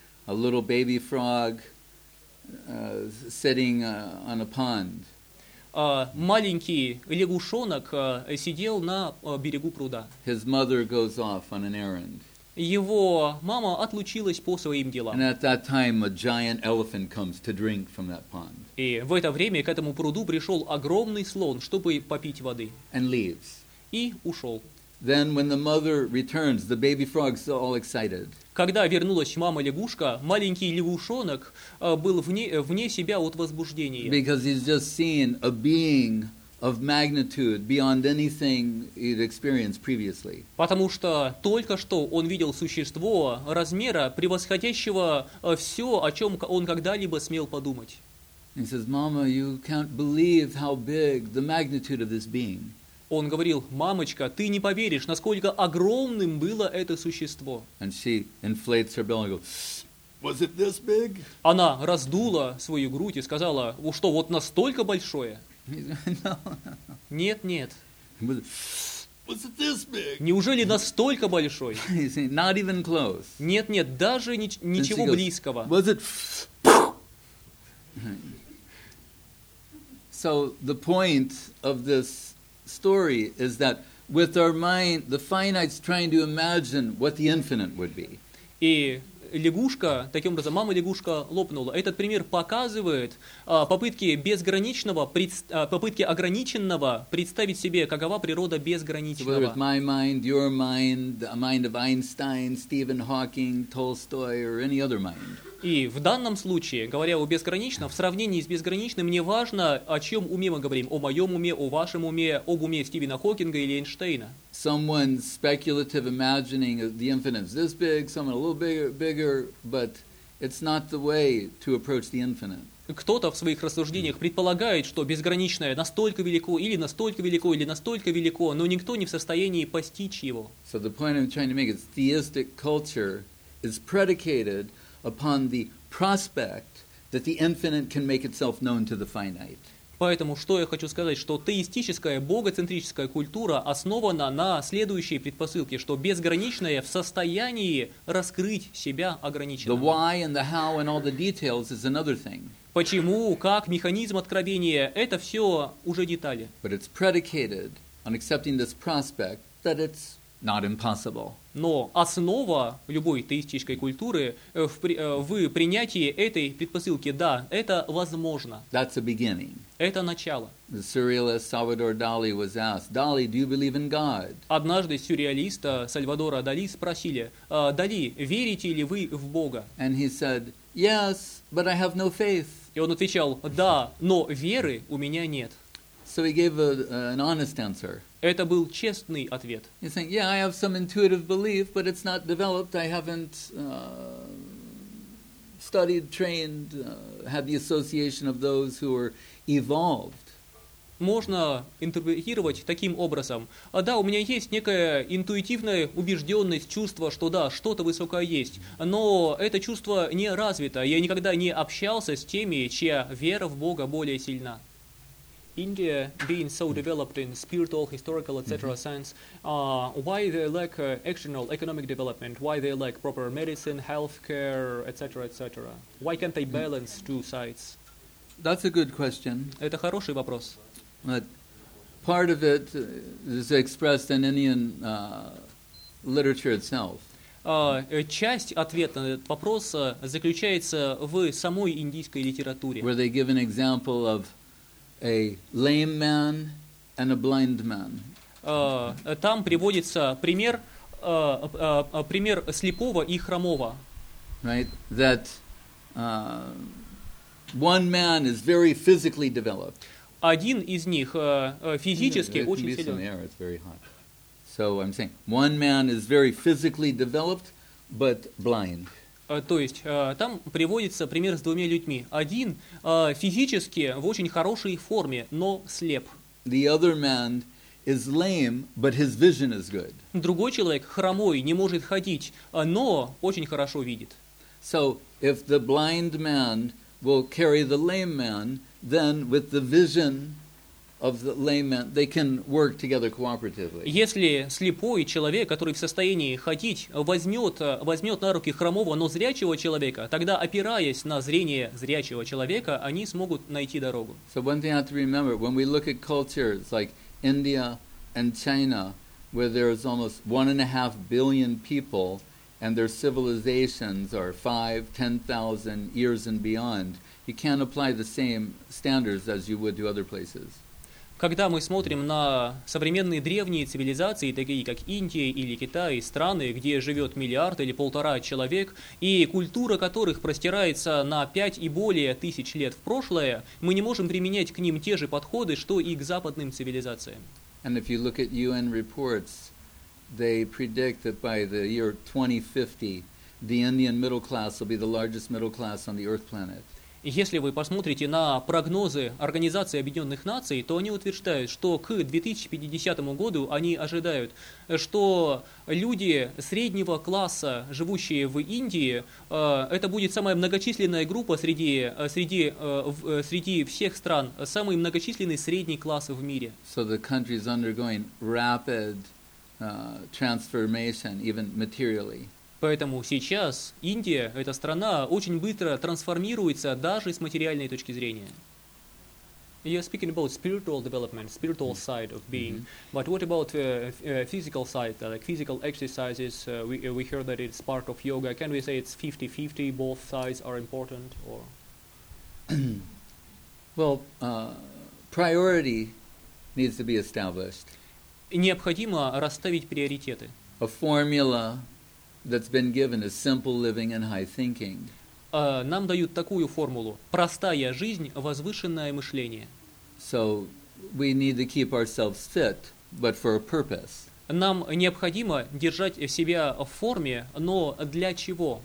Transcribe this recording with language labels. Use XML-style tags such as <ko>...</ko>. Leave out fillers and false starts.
<en>A little baby frog sitting on a pond.</en> <ru>Маленький лягушонок сидел на берегу пруда.</ru> <en>His mother goes off on an errand.</en> <ru>Его мама отлучилась по своим делам.</ru> <en>And at that time, a giant elephant comes to drink from that pond.</en> <ru>И в это время к этому пруду пришел огромный слон, чтобы попить воды.</ru> <en>And leaves.</en> <ru>И ушел.</ru> <en>Then, when the mother returns, the baby frog's all excited.</en> <ru>Когда вернулась мама лягушка, маленький лягушонок был вне себя от возбуждения.</ru> <en>Because he's just seen a being of magnitude beyond anything he'd experienced previously.</en> <ru>Потому что только что он видел существо размера превосходящего все, о чем он когда-либо смел подумать.</ru> <en>He says, "Mama, you can't believe how big the magnitude of this being."</en> <ru>Он говорил, мамочка, ты не поверишь, насколько огромным было это существо.</ru> <en>And she inflates her belly and goes, was it this big?</en> <ru>Она раздула свою грудь и сказала, у что, вот настолько большое?</ru> <en>No.</en> <ru>Нет, нет.</ru> <en>Was it this big?</en> <ru>Неужели настолько большой?</ru> <en>Not even close.</en> <ru>Нет, нет, даже ничего</ru> <en>goes,</en> <ru>близкого.</ru> <en>Was it... So the point of this story is that with our mind, the finite's trying to imagine what the infinite would be.</en> <ru>И лягушка, таким образом мама-лягушка лопнула. Этот пример показывает попытки безграничного, попытки ограниченного представить себе, какова природа безграничного.</ru> <en>Whether it's my mind, your mind, a mind of Einstein, Stephen Hawking, Tolstoy, or any other mind.</en> <ru>И в данном случае, говоря о безграничном, в сравнении с безграничным, не важно, о чем уме мы говорим, о моем уме, о вашем уме, об уме Стивена Хокинга или Эйнштейна.</ru> <en>Someone's speculative imagining the infinite is this big, someone a little bigger, but it's not the way to approach the infinite.</en> <ru>Кто-то в своих рассуждениях предполагает, что безграничное настолько велико, или настолько велико, или настолько велико, но никто не в состоянии постичь его.</ru> <en>So the point I'm trying to make is theistic culture is predicated upon the prospect that the infinite can make itself known to the finite.</en> <ru>Поэтому что я хочу сказать, что теистическая богоцентрическая культура основана на следующей предпосылке, что безграничное в состоянии раскрыть себя ограниченным.</ru> <en>The why and the how and all the details is another thing.</en> <ru>Почему, как, механизм откровения — это все уже детали.</ru> <en>But it's predicated on accepting this prospect that it's not impossible.</en> <ru>Но основа любой теистической культуры в принятии этой предпосылки, да, это возможно.</ru> <en>That's a beginning.</en> <ru>Это начало.</ru> <en>The surrealist Salvador Dali was asked, Dali, do you believe in God?</en> <ru>Однажды сюрреалиста Сальвадора Дали спросили, Дали, верите ли вы в Бога?</ru> <en>And he said, yes, but I have no faith.</en> <ru>И он отвечал, да, но веры у меня нет.</ru> <en>So he gave an honest answer.</en> <ru>Это был честный ответ.</ru> <en>He's saying, yeah, I have some intuitive belief, but it's not developed. I haven't studied, trained, had the association of those who are evolved.</en> <ru>Можно интерпретировать таким образом. Да, у меня есть некая интуитивная убежденность, чувство, что да, что-то высокое есть. Но это чувство не развито. Я никогда не общался с теми, чья вера в Бога более сильна.</ru> <en>India being so developed in spiritual, historical, etc. sense, why they lack external economic development? Why they lack proper medicine, healthcare, etc., etc.? Why can't they balance two sides? That's a good question.</en> <ru>Это хороший вопрос.</ru> <en>But part of it is expressed in Indian literature itself.</en> <ru>Часть ответа на этот вопрос заключается в самой индийской литературе.</ru> <en>Where they give an example of a lame man and a blind man.</en> <ru>Там приводится пример, пример слепого и хромого.</ru> <en>Right, that one man is very physically developed.</en> <ru>Один из них физически очень силен.</ru> <en>There can be some air, it's very hot. So I'm saying one man is very physically developed, but blind.</en> <ru>То есть там приводится пример с двумя людьми. Один физически в очень хорошей форме, но слеп.</ru> <en>The other man is lame, but his vision is good.</en> <ru>Другой человек хромой, не может ходить, но очень хорошо видит.</ru> <en>So if the blind man will carry the lame man, then with the vision of the layman, they can work together cooperatively.</en> <ru>Если слепой человек, который в состоянии ходить, возьмет на руки хромого, но зрячего человека, тогда опираясь на зрение зрячего человека, они смогут найти дорогу.</ru> <en>So one thing I have to remember, when we look at cultures like India and China, where there is almost 1.5 billion people, and their civilizations are 5-10,000 years and beyond, you can't apply the same standards as you would to other places.</en> <ru>Когда мы смотрим на современные древние цивилизации, такие как Индия или Китай, страны, где живет миллиард или полтора человек, и культура которых простирается на 5 и более тысяч лет в прошлое, мы не можем применять к ним те же подходы, что и к западным цивилизациям.</ru> <en>And if you look at UN reports, they predict that by the year 2050, the Indian middle class will be the largest middle class on the Earth planet.</en> <ru>Если вы посмотрите на прогнозы Организации Объединенных Наций, то они утверждают, что к 2050 году они ожидают, что люди среднего класса, живущие в Индии, это будет самая многочисленная группа среди всех стран, самый многочисленный средний класс в мире.</ru> <en>So the country is undergoing rapid transformation, even materially.</en> <ru>Поэтому сейчас Индия, эта страна, очень быстро трансформируется даже с материальной точки зрения.</ru> <en>You're speaking about spiritual development, spiritual mm-hmm. side of being, mm-hmm. but what about physical side, like physical exercises? We hear that it's part of yoga. Can we say it's 50-50, both sides are important, or? Well, priority needs to be established.</en> <ru>Необходимо расставить приоритеты.</ru> <en>A formula that's been given is simple living and high thinking.</en> <ru>Нам дают такую формулу: простая жизнь, возвышенное мышление.</ru> <en>So we need to keep ourselves fit, but for a purpose.</en> <ru>Нам необходимо держать себя в форме, но для чего?</ru>